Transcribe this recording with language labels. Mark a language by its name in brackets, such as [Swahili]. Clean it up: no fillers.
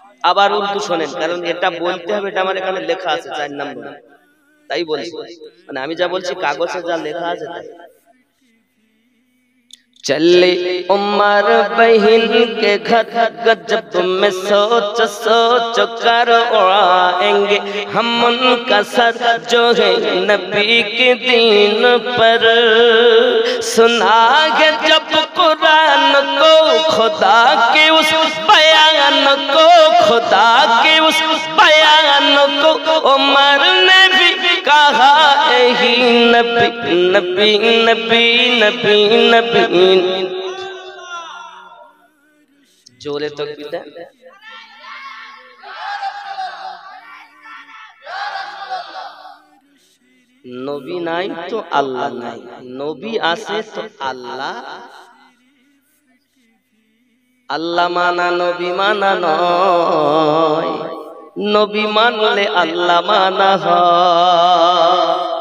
[Bangla] আবার উর্দু শোনেন, কারণ এটা বলতে হবে, এটা আমার এখানে লেখা আছে 4 নম্বর, তাই বলছি, মানে আমি যা বলছি কাগজে যা লেখা আছে তাই। [Hindi] चले उमर बहिन के घर, गजब तुम्हें सोच सोच कर उड़ाएंगे हम उनका सर जो है नबी के दीन पर, सुना गे जब कुरान को खुदा के उस बयान को, खुदा के उस बयान को उमर ने भी कहा यही नबी नबी नबी नबी नबी। [Bangla] জোরে তকবীর দেন, নবী নাই তো আল্লাহ নাই, নবী আছে তো আল্লাহ, আল্লাহ মানা নবী মানা নয়, নবী মানলে আল্লাহ মানা হয়,